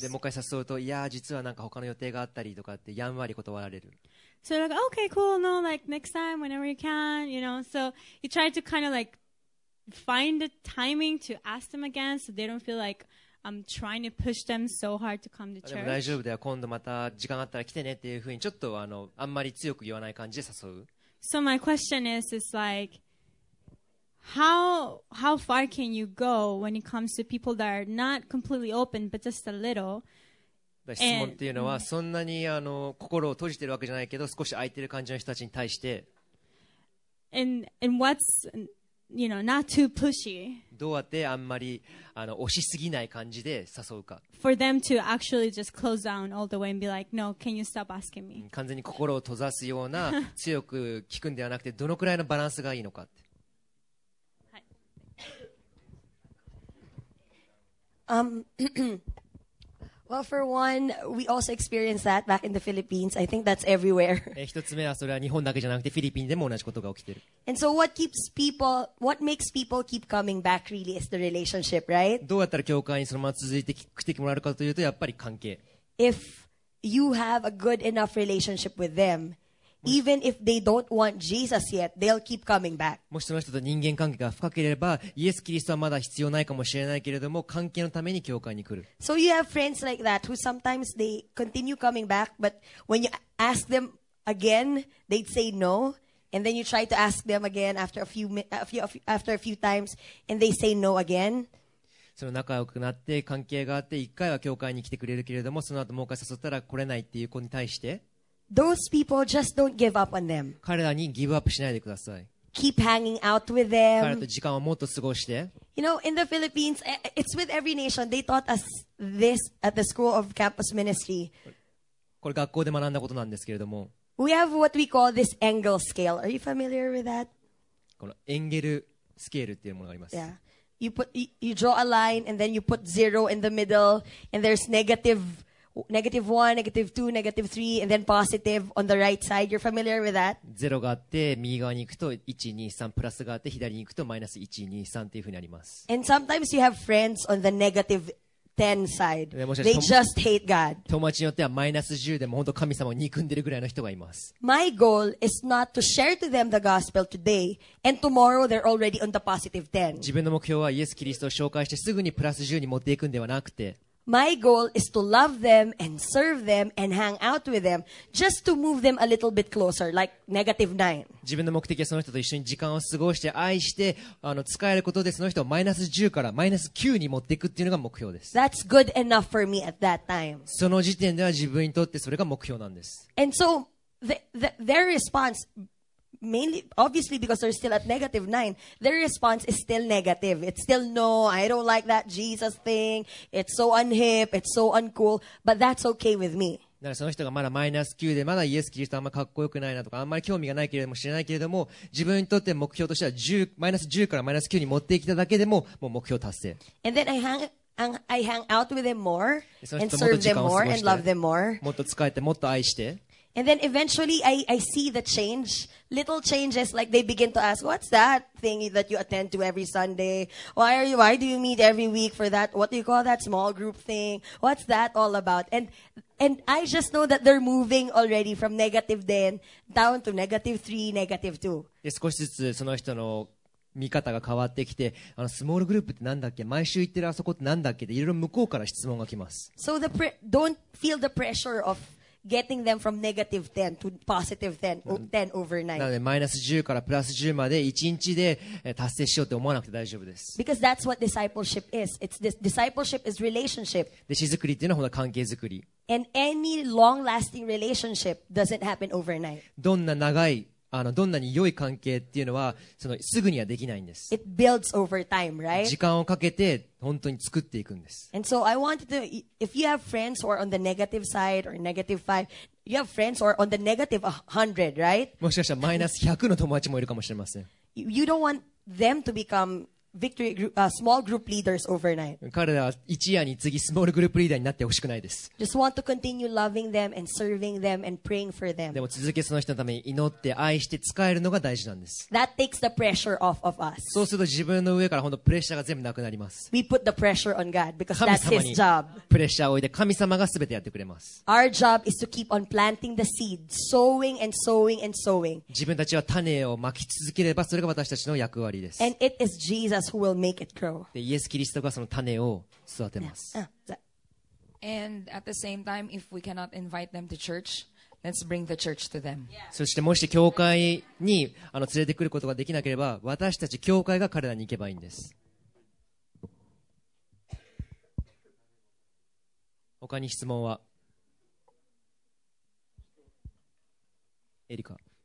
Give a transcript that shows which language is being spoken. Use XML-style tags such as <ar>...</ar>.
<ja>で、もう一回誘うと、いや、実はなんか他の予定があったりとかってやんわり断られる。</ja> <en>So like, okay, cool, no, like next time, whenever you can, you know. So you try to kind of like find the timing to ask them again so they don't feel like I'm trying to push them so hard to come to church.</en> <ja>でも大丈夫だよ。今度また時間あったら来てねっていうふうにちょっとあんまり強く言わない感じで誘う。</ja> <en>So my question is like, how far can you go when it comes to people that are not completely open, but just a little?</en> <ja>質問っていうのはそんなに心を閉じてるわけじゃないけど少し空いてる感じの人たちに対して</ja> <en>and what's, you know, not too pushy.</en> <ja>どうやってあんまり押しすぎない感じで誘うか</ja> <en>For them to actually just close down all the way and be like, no, can you stop asking me?</en> <ja>完全に心を閉ざすような強く聞くんではなくてどのくらいのバランスがいいのかって、はい</ja> <en>Well, for one, we also experienced that back in the Philippines. I think that's everywhere.</en> <ja>一つ目はそれは日本だけじゃなくてフィリピンでも同じことが起きている。</ja> <en>And so what keeps people, what makes people keep coming back really is the relationship, right?</en> <ja>どうやったら教会にそのまま続いて来てもらえるかというとやっぱり関係。</ja> <en>If you have a good enough relationship with them, even if they don't want Jesus yet, they'll keep coming back.</en> <ja>もしその人と人間関係が深ければ、イエス・キリストはまだ必要ないかもしれないけれども、関係のために教会に来る。</ja> <en>So you have friends like that who sometimes they continue coming back, but when you ask them again, they'd say no, and then you try to ask them again after a few times, and they say no again.</en> <ja>その仲良くなって関係があって一回は教会に来てくれるけれどもその後もう一回誘ったら来れないっていう子に対して</ja> <en>Those people just don't give up on them.</en> <ja>彼らにギブアップしないでください。</ja> <en>Keep hanging out with them.</en> <ja>彼らと時間をもっと過ごして</ja> <en>You know, in the Philippines, it's with every nation. They taught us this at the School of Campus Ministry.</en> <ja>これ学校で学んだことなんですけれども</ja> <en>We have what we call this Engel scale. Are you familiar with that?</en> <ja>このエンゲルスケールっていうものがあります。</ja> <en>Yeah. You draw a line and then you put zero in the middle and there's negative one, negative two, negative three and then positive on the right side. You're familiar with that?</en> <ja>ゼロがあって右側に行くと1、2、3プラスがあって左に行くとマイナス1、2、3っていうふうにあります。</ja> <en>And sometimes you have friends on the negative ten side. They just hate God.</en> <ja>友達によってはマイナス10でも本当神様を憎んでるぐらいの人がいます。</ja> <en>My goal is not to share to them the gospel today and tomorrow they're already on the positive ten.</en> <ja>自分の目標はイエス・キリストを紹介してすぐにプラス10に持っていくんではなくて</ja> <en>My goal is to love them and serve them and hang out with them just to move them a little bit closer, like negative nine.</en> <ja>自分の目的はその人と一緒に時間を過ごして愛して使えることでその人をマイナス10からマイナス9に持っていくっていうのが目標です。</ja> <en>That's good enough for me at that time.</en> <ja>その時点では自分にとってそれが目標なんです。</ja> <en>And so their response, mainly, obviously because they're still at negative nine, their response is still negative. It's still, no, I don't like that Jesus thing. It's so unhip, it's so uncool, but that's okay with me.</en> <ja>だからその人がまだマイナス9でまだイエス・キリストあんまかっこよくないなとかあんまり興味がないけれども知らないけれども自分にとって目標としては10、マイナス10からマイナス9に持ってきただけでももう目標達成。</ja> <en>And then I hang out with them more and serve them more and love them more.</en> <ja>もっと使えてもっと愛して。</ja> <en>And then eventually I see the change, little changes like they begin to ask, what's that thing that you attend to every Sunday? Why do you meet every week for that? What do you call that small group thing? What's that all about? And I just know that they're moving already from negative 10 down to negative 3, negative 2.</en> <ja>少しずつその人の見方が変わってきて、スモールグループってなんだっけ？毎週行ってるあそこってなんだっけ？でいろいろ向こうから質問が来ます。</ja> <en>So don't feel the pressure of getting them from negative 10 to positive 10 overnight.</en> <ja>なのでマイナス10からプラス10まで1日で達成しようって思わなくて大丈夫です。</ja> <en>Because that's what discipleship is. It's this discipleship is relationship.</en> <ja>弟子作りっていうのは本当関係作り。</ja> <en>And any long-lasting relationship doesn't happen overnight.</en> <ja>どんな長いどんなに良い関係っていうのはそのすぐにはできないんです。</ja> <en>It builds over time, right?</en> <ja>時間をかけて本当に作っていくんです。</ja> <en>And so I wanted to, if you have friends who are on the negative side or negative 5, you have friends who are on the negative 100, right?</en> <ja>もしかしたらマイナス100の友達もいるかもしれません。</ja> <en>You don't want them to become victory group, small group leaders overnight.</en> <ja>彼らは一夜に次スモールグループリーダーになってほしくないです。</ja> <en>Just want to continue loving them and serving them and praying for them.</en> <ja>でも続けその人のために祈って愛して使えるのが大事なんです。</ja> <en>That takes the pressure off of us.</en> <ja>そうすると自分の上から本当プレッシャーが全部なくなります。</ja> <en>We put the pressure on God because that's His job.</en> <ja>プレッシャーを置いて神様が全てやってくれます。</ja> <en>Our job is to keep on planting the seed, sowing and sowing and sowing.</en> <ja>自分たちは種を撒き続ければそれが私たちの役割です。</ja> <en>And it is Jesus. Who will make it grow.</en> <ja>イエス・キリストがその種を育てます。</ja> <en>And at the same time, if we cannot invite them to church, let's bring the church to them.</en> <ja>そしてもし教会に連れてくることができなければ、私たち教会が彼らに行けばいいんです。他に質問は？エリカ。</ja>